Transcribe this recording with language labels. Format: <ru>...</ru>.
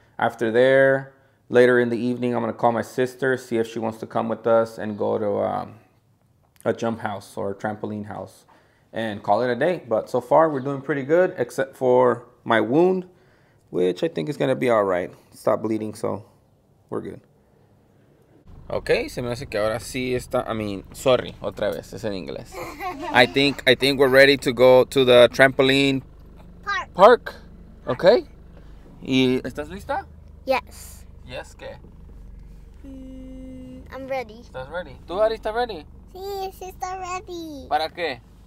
<en>After there, later in the evening, I'm gonna call my sister, see if she wants to come with us and go to a jump house or a trampoline house and call it a day. But so far, we're doing pretty good, except for my wound, which I think is gonna be all right. Stop bleeding, so we're good.</en> <es>Okay, se me hace que ahora sí está,</es> <en>sorry,</en> <es>otra vez, es en inglés.</es> <en>I think we're ready to go to the trampoline park.</en> <es>Okay? ¿Y estás lista?</es> <en>Yes. Yes,</en> <es>¿qué?</es> <en>I'm ready.</en> <es>¿Estás</es> <en>ready?</en> <es>¿Tú, Ari, estás ready? Sí, sí está ready. ¿Para qué?</es>